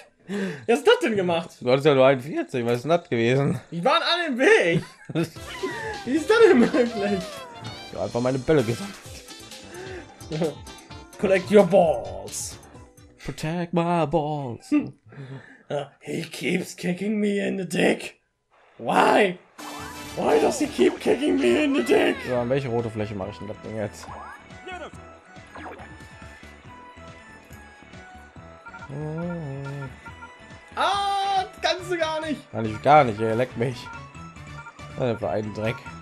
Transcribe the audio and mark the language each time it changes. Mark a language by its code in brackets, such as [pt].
[de] Wer ist das denn gemacht? Du hattest ja nur 41, was ist denn das gewesen? Die waren alle im Weg! Wie ist das denn möglich? Du hast einfach meine Bälle gesammelt. [en] Collect your balls! Protect my balls! He keeps kicking me in the dick! Why? Why does he keep kicking me in the dick? [de] So, an welche rote Fläche mache ich denn das Ding jetzt? Ah, kannst du gar nicht! Kann ich gar nicht, ey, leck mich! Das war ein Dreck.